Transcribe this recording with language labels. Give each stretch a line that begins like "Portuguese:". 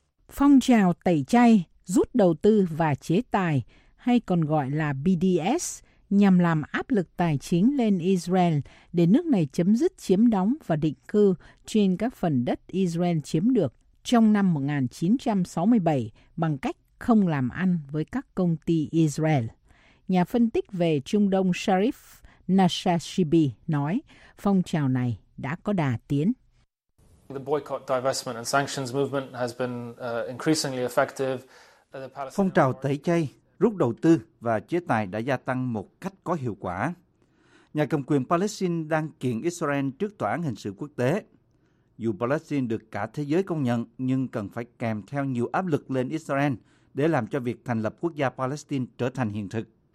Vietnamese: Phong trào tẩy chay, rút đầu tư và chế tài, hay còn gọi là BDS, nhằm làm áp lực tài chính lên Israel để nước này chấm dứt chiếm đóng và định cư trên các phần đất Israel chiếm được trong năm 1967 bằng cách không làm ăn với các công ty Israel. Nhà phân tích về Trung Đông Sharif Nashashibi nói phong trào này đã có đà tiến.
English: The boycott, divestment and sanctions movement has been increasingly effective.
Vietnamese: Phong trào tẩy chay, rút đầu tư và chế tài đã gia tăng một cách có hiệu quả. Nhà cầm quyền Palestine đang kiện Israel trước tòa án hình sự quốc tế. Dù Palestine được cả thế giới công nhận nhưng cần phải kèm theo nhiều áp lực lên Israel để làm cho việc thành lập quốc gia Palestine trở thành hiện thực.